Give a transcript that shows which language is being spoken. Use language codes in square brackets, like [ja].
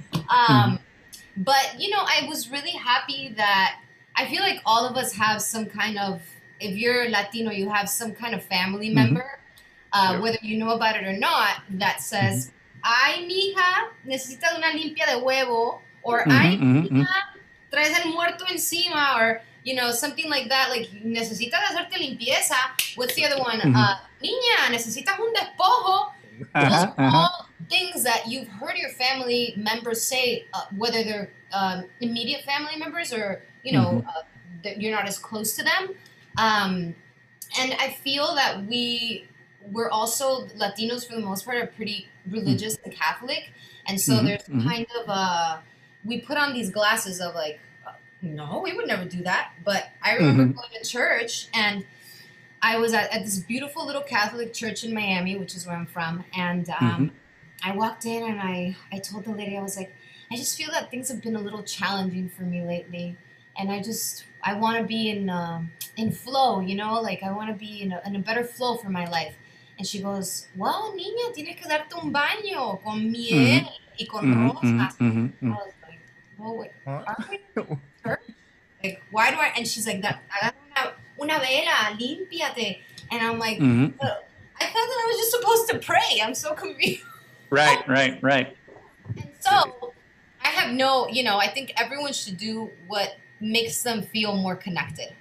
[en] But you know, I was really happy that I feel like all of us have some kind of, if you're Latino, you have some kind of family member, whether you know about it or not, that says, [es] "Ay, mija, necesita una limpia de huevo," [en] or [es] "Ay, mija, traes el muerto encima," [en] or, you know, something like that, like, [es] necesitas hacerte limpieza. [en] What's the other one? [es] Niña, necesitas un despojo. [en] Those are all things that you've heard your family members say, whether they're immediate family members or, you know, that you're not as close to them. And I feel that we're also, Latinos for the most part, are pretty religious and Catholic. And so there's kind of we put on these glasses of like, no, we would never do that. But I remember going to church, and I was at this beautiful little Catholic church in Miami, which is where I'm from. And I walked in, and I told the lady, I was like, I just feel that things have been a little challenging for me lately. And I just I want to be in flow, you know, like I want to be in a better flow for my life. And she goes, well, [es] niña, tienes que darte un baño con miel y con rosas. [en] I was like, well, wait, like, why do I? And she's like, [es] una vela, límpiate. [en] And I'm like, I thought that I was just supposed to pray. I'm so confused. Right. And so I have no, you know, I think everyone should do what makes them feel more connected.